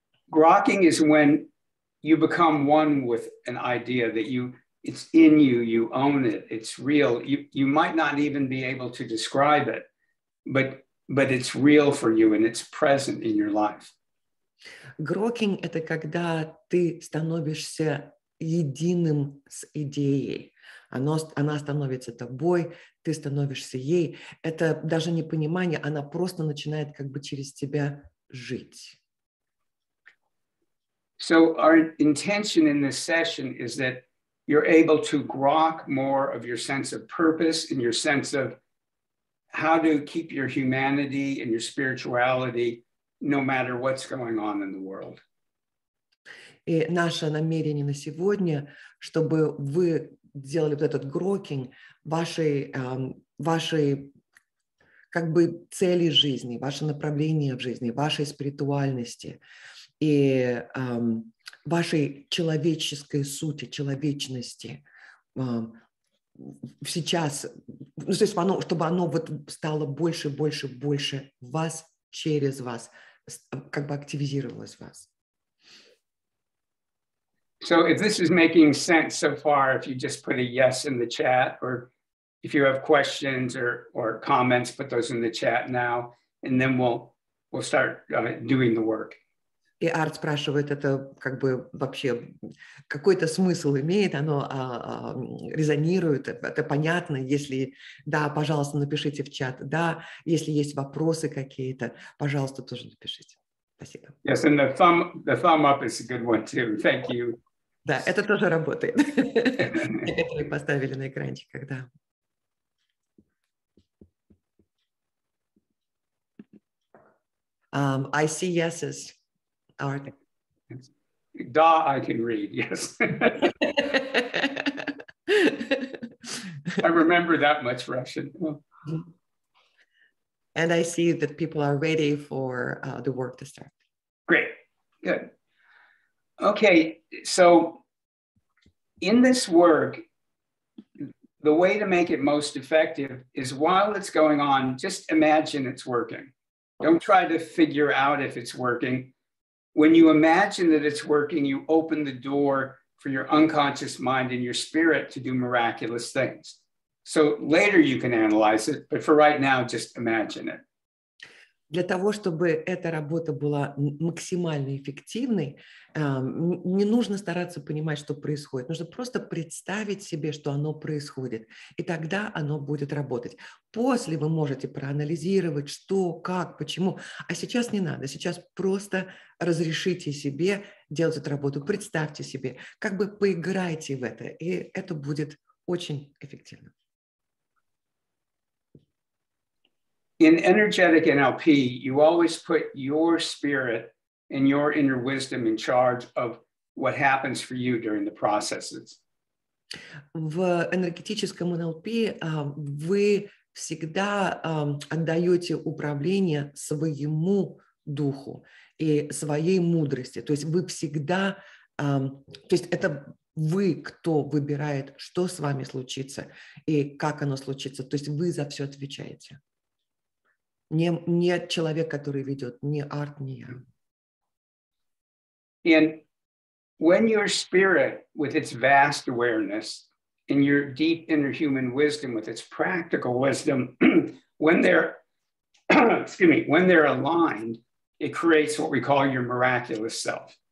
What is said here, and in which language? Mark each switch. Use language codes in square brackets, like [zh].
[en] Grokking is when you become one with an idea that it's in you, you own it, it's real. You might not even be able to describe it, but it's real for you and it's present in your life. [ru] Grokking – это когда ты становишься единым с идеей. Она становится тобой, ты становишься ей. Это даже не понимание, она просто начинает как бы через тебя жить. [en] So our intention in this session is that you're able to grok more of your sense of purpose and your sense of how to keep your humanity and your spirituality no matter what's going on in the world. [ru] И наше намерение на сегодня, чтобы вы сделали вот этот грокинг вашей, вашей как бы цели жизни, ваше направление в жизни, вашей спиритуальности и вашей человеческой сути, человечности сейчас, ну, то есть оно, чтобы оно вот стало больше, больше, больше в вас, через вас, как бы активизировалось в вас. [en] So if this is making sense so far, if you just put a yes in the chat, or if you have questions or comments, put those in the chat now, and then we'll start doing the work. [ru] И Арт спрашивает, это как бы вообще какой-то смысл имеет, оно резонирует, это понятно, если да, пожалуйста, напишите в чат, да, если есть вопросы какие-то, пожалуйста, тоже напишите. Спасибо. [en] Yes, and the thumb up is a good one too. Thank you. [ru] Да, это тоже работает. Это мы поставили на экранчик, когда. [en] I see yeses. Art. [ru] Da, [en] I can read, yes. I remember that much Russian. And I see that people are ready for the work to start. Great, good. Okay, so in this work, the way to make it most effective is while it's going on, just imagine it's working. Don't try to figure out if it's working. When you imagine that it's working, you open the door for your unconscious mind and your spirit to do miraculous things. So later you can analyze it, but for right now, just imagine it. [ru] Для того, чтобы эта работа была максимально эффективной, не нужно стараться понимать, что происходит. Нужно просто представить себе, что оно происходит, и тогда оно будет работать. После вы можете проанализировать, что, как, почему. А сейчас не надо. Сейчас просто разрешите себе делать эту работу. Представьте себе, как бы поиграйте в это, и это будет очень эффективно. [en] In energetic NLP, you always put your spirit and your inner wisdom in charge of what happens for you during the processes. [ru] В энергетическом NLP вы всегда отдаете управление своему духу и своей мудрости. То есть вы всегда, то есть это вы, кто выбирает, что с вами случится и как оно случится. То есть вы за все отвечаете. Не человек, который ведет, не Арт, не я. [en] And when your spirit with its vast awareness and your deep inner human wisdom with its practical wisdom, when they're aligned, it creates what we call your miraculous self.